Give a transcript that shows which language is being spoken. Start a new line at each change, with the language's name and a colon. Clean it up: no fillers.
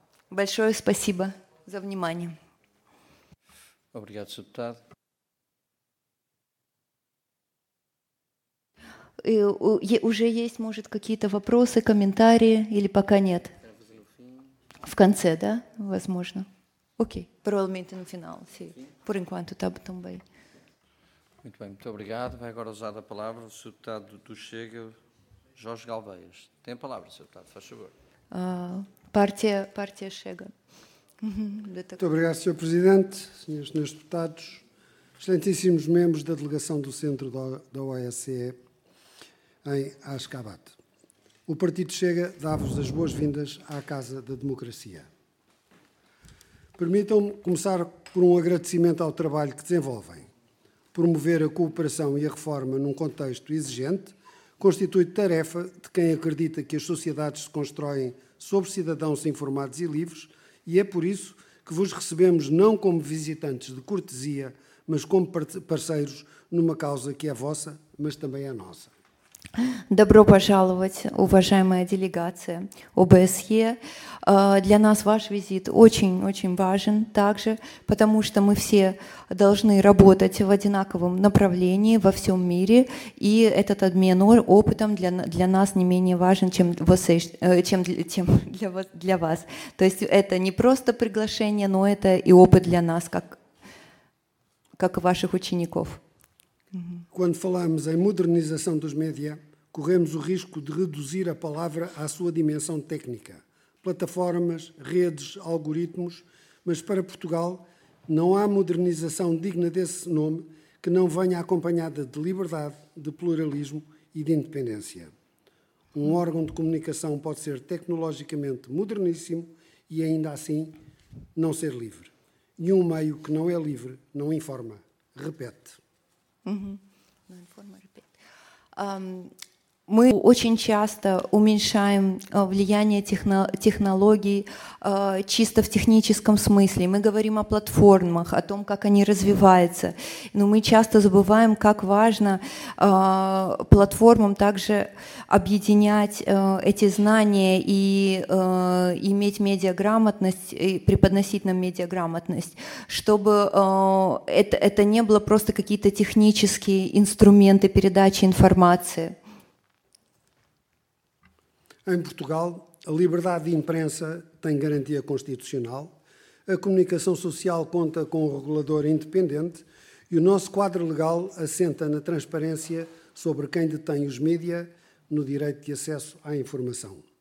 Russian: Большое спасибо за внимание.
Portuguese: Obrigado, deputado.
Russian: Уже есть, может, какие-то вопросы, комментарии или пока нет? В конце, да, возможно. Окей.
Portuguese: Provavelmente no final, sim. Por enquanto está tão bem. Muito bem, muito obrigado. Vai agora usar a palavra o deputado do Chega, Jorge Galveias. Tem a palavra, deputado, faz favor. Partia Chega. Muito obrigado, senhor presidente, senhores deputados, excelentíssimos membros da delegação do Centro da OSCE. Em Ashgabat. O Partido Chega dá-vos as boas-vindas à Casa da Democracia. Permitam-me começar por um agradecimento ao trabalho que desenvolvem. Promover a cooperação e a reforma num contexto exigente constitui tarefa de quem acredita que as sociedades se constroem sobre cidadãos informados e livres, e é por isso que vos recebemos não como visitantes de cortesia, mas como parceiros numa causa que é vossa, mas também é nossa.
Russian: Добро пожаловать, уважаемая делегация ОБСЕ. Для нас ваш визит очень-очень важен также, потому что мы все должны работать в одинаковом направлении во всем мире, и этот обмен опытом для нас не менее важен, чем для вас. То есть это не просто приглашение, но это и опыт для нас, как ваших учеников.
Portuguese: Quando falamos em modernização dos média, corremos o risco de reduzir a palavra à sua dimensão técnica. Plataformas, redes, algoritmos, mas para Portugal não há modernização digna desse nome que não venha acompanhada de liberdade, de pluralismo e de independência. Um órgão de comunicação pode ser tecnologicamente moderníssimo e ainda assim não ser livre. E um meio que não é livre não informa, repete.
Russian: Мы очень часто уменьшаем влияние технологий чисто в техническом смысле. Мы говорим о платформах, о том, как они развиваются. Но мы часто забываем, как важно платформам также объединять эти знания и иметь медиаграмотность, преподносить нам медиаграмотность, чтобы это не было просто какие-то технические инструменты передачи информации.
Portuguese: Em Portugal, a liberdade de imprensa tem garantia constitucional, a comunicação social conta com um regulador independente e o nosso quadro legal assenta na transparência sobre quem detém os média no direito de acesso à informação.